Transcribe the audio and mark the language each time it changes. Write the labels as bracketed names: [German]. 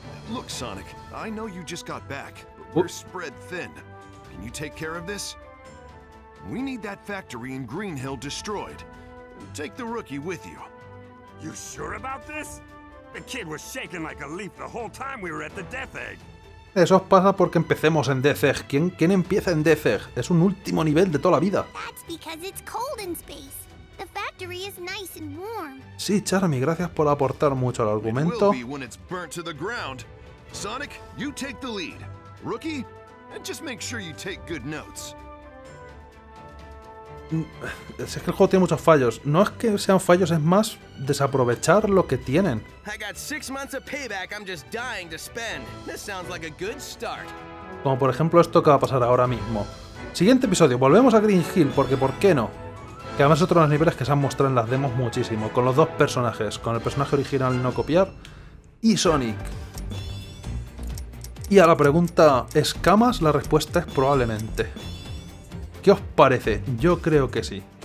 [English] Look, Sonic, I know you just got back, but we're spread thin. Can you take care of this? We need that factory in Green Hill destroyed. Take the rookie with you. You sure about this? The kid was shaking like a leaf the whole time we were at the Death Egg. [Spanish] Eso pasa porque empecemos en Death Egg. ¿Quién empieza en Death Egg? Es un último nivel de toda la vida. [English] That's because it's cold in space. The factory is nice and warm. [Spanish] Sí, Charmy, gracias por aportar mucho al argumento. [English] It will be when it's burnt to the ground. Sonic, you take the lead. Rookie, just make sure you take good notes. [Spanish] Es que el juego tiene muchos fallos. No es que sean fallos, es más desaprovechar lo que tienen. [English] I got 6 months of payback I'm just dying to spend. This sounds like a good start. [Spanish] Como por ejemplo esto que va a pasar ahora mismo. Siguiente episodio, volvemos a Green Hill, porque ¿por qué no? Que además es otro de los niveles que se han mostrado en las demos muchísimo, con los dos personajes, con el personaje original no copiar y Sonic. Y a la pregunta, ¿escamas? La respuesta es probablemente. ¿Qué os parece? Yo creo que sí.